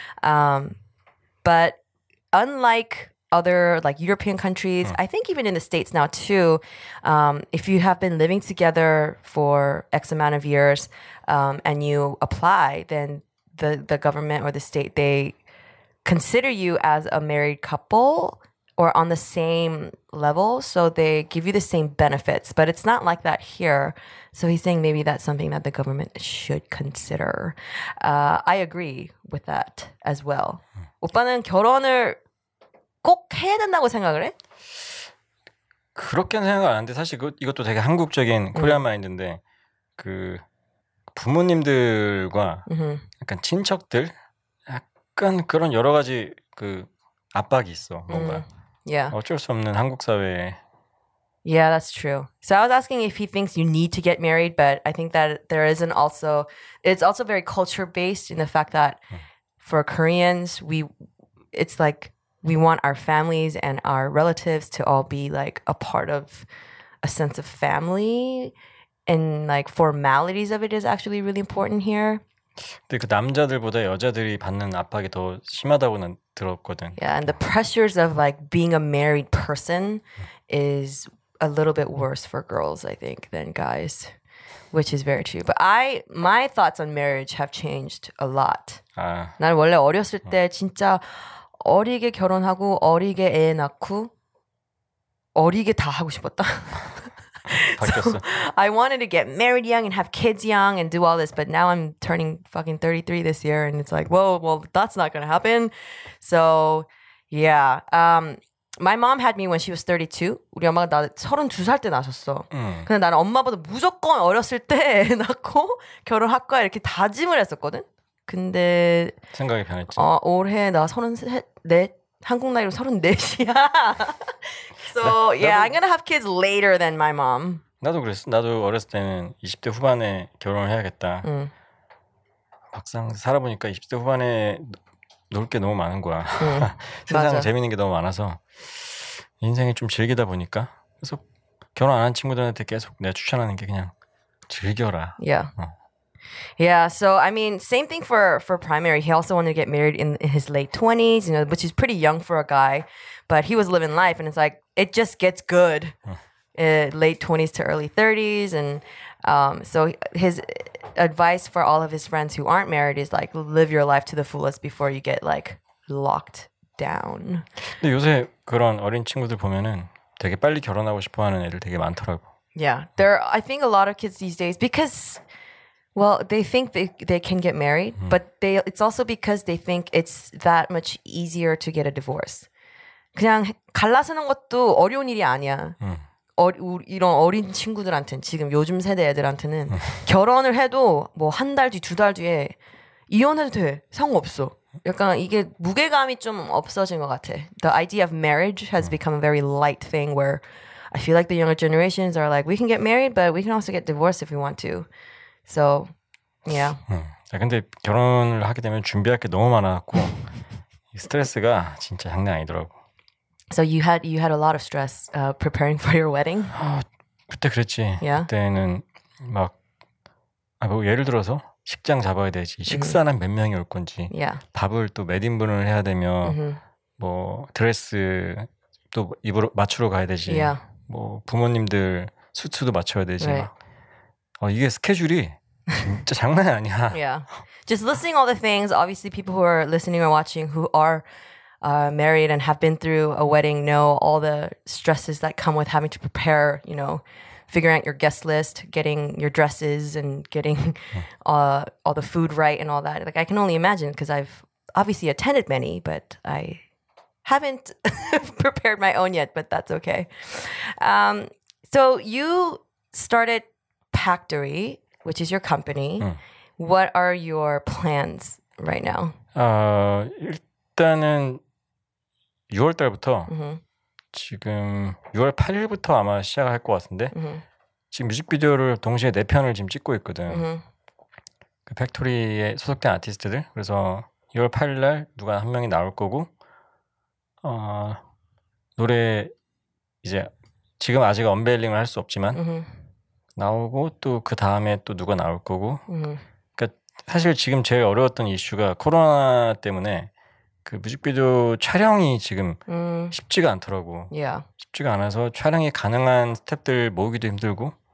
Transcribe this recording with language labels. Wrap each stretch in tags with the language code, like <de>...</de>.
<en>But unlike other like European countries, I think even in the States now too, if you have been living together for X amount of years and you apply, then the government or the state, they consider you as a married couple or on the same level. So they give you the same benefits, but it's not like that here. So he's saying maybe that's something that the government should consider. I agree with that as well.</en> <ko>오빠는 결혼을 꼭 해야 된다고 생각을 해? 그렇게는 생각 안 하는데 사실 이것도 되게 한국적인 코리안 마인드인데 그 부모님들과 약간 친척들 약간 그런 여러 가지 그 압박이 있어 뭔가</ko> <en>yeah.</en> <ko>어쩔 수 없는 한국 사회에</ko> <en>Yeah, that's true. So I was asking if he thinks you need to get married, but I think that there isn't also, it's also very culture-based in the fact that for Koreans, it's like we want our families and our relatives to all be like a part of a sense of family, and like formalities of it is actually really important here.</en> <ko>근데 그 남자들보다 여자들이 받는 압박이 더 심하다고는 들었거든.</ko> <en>Yeah, and the pressures of like being a married person is a little bit worse for girls, I think, than guys, which is very true. But my thoughts on marriage have changed a lot. 아.</en> <ko>난 원래 어렸을 때 진짜 어리게 결혼하고 어리게 애 낳고 어리게 다 하고 싶었다.</ko> <en>So I wanted to get married young and have kids young and do all this, but now I'm turning fucking 33 this year and it's like, whoa, well, that's not gonna happen. So yeah, my mom had me when she was 32.</en> <ko>우리 엄마가 나 32살 때 낳았었어. 근데 나는 엄마보다 무조건 어렸을 때 낳고 결혼할까 이렇게 다짐을 했었거든. 근데 생각이 변했지. 올해 나 34 한국 나이로 34이야.</ko> <en>So,</en> <ko>나도,</ko> <en>I'm gonna have kids later than my mom.</en> <ko>나도 그랬어. 나도 어렸을 때는 20대 후반에 결혼을 해야겠다. 막상 살아보니까 20대 후반에 놀 게 너무 많은 거야. 세상 맞아. 재밌는 게 너무 많아서 인생이 좀 즐기다 보니까 그래서 결혼 안 한 친구들한테 계속 내가 추천하는 게 그냥 즐겨라.</ko> <en>Yeah. Yeah, so I mean, same thing for primary. He also wanted to get married in his late 20s, you know, which is pretty young for a guy. But he was living life, and it's like, it just gets good. Late 20s to early 30s. And so his advice for all of his friends who aren't married is like, live your life to the fullest before you get like locked down.</en> <ko>근데 요새 그런 어린 친구들 보면은 되게 빨리 결혼하고 싶어하는 애들 되게 많더라고.</ko> <en>Yeah, there are, I think a lot of kids these days, because... Well, they think they can get married, but it's also because they think it's that much easier to get a divorce.</en> <ko>그냥 갈라서는 것도 어려운 일이 아니야. 이런 어린 친구들한테는 지금 요즘 세대 애들한테는 결혼을 해도 뭐 한 달 뒤, 두 달 뒤에 이혼해도 돼. 상관없어. 약간 이게 무게감이 좀 없어진 것 같아.</ko> <en>The idea of marriage has become a very light thing where I feel like the younger generations are like, we can get married, but we can also get divorced if we want to. So, yeah.</en> <ko>근데 결혼을 하게 되면 준비할 게 너무 많았고 스트레스가 진짜 장난 아니더라고.</ko> <en>So you had a lot of stress preparing for your wedding?</en> <ko>그때 그랬지.</ko> <en>Yeah.</en> <ko>그때는 막 뭐 예를 들어서 식장 잡아야 되지. 식사는 몇 명이 올 건지.</ko> <en>Yeah.</en> <ko>밥을 또 몇 인분을 해야 되며 뭐 드레스 또 입으로 맞추러 가야 되지.</ko> <en>Yeah.</en> <ko>뭐 부모님들 수트도 맞춰야 되지.</ko> <en>Right.</en> <ko>이게 스케줄이 진짜 장난이 아니야.</ko> <en>Yeah. Just listing all the things, obviously people who are listening or watching who are married and have been through a wedding know all the stresses that come with having to prepare, you know, figuring out your guest list, getting your dresses and getting all the food right and all that. Like I can only imagine because I've obviously attended many, but I haven't prepared my own yet, but that's okay. So you started Pactory, which is your company. What are your plans right now?</en> <ko>일단은 6월 달부터 지금 6월 8일부터 아마 시작할 것 같은데 지금 뮤직비디오를 동시에 네 편을 지금 찍고 있거든. 그 팩토리에 소속된 아티스트들. 그래서 6월 8일 날 누가 한 명이 나올 거고 노래 이제 지금 아직 언베일링을 할 수 없지만 나오고 또 그 다음에 또 누가 나올 거고 그러니까 사실 지금 제일 어려웠던 이슈가 코로나 때문에 그 뮤직비디오 촬영이 지금 쉽지가 않더라고 쉽지가 않아서 촬영이 가능한 스태프들 모으기도 힘들고</ko>